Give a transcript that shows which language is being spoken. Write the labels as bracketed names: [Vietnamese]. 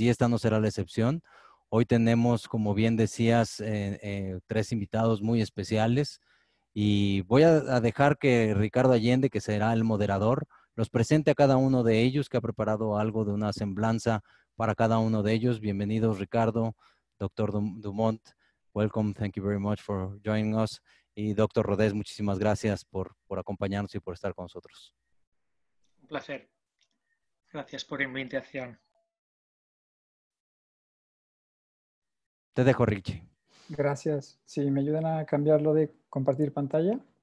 [Spanish] Y esta no será la excepción. Hoy tenemos, como bien decías, tres invitados muy especiales y voy a dejar que Ricardo Allende, que será el moderador, los presente a cada uno de ellos, que ha preparado algo de una semblanza para cada uno de ellos. Bienvenidos, Ricardo, doctor Dumont. [English] Welcome, thank you very much for joining us. [Spanish] Y doctor Rodés, muchísimas gracias por acompañarnos y por estar con nosotros. Placer. Gracias por la invitación. Te dejo, Richie. Gracias. Sí, me ayudan a cambiarlo de compartir pantalla.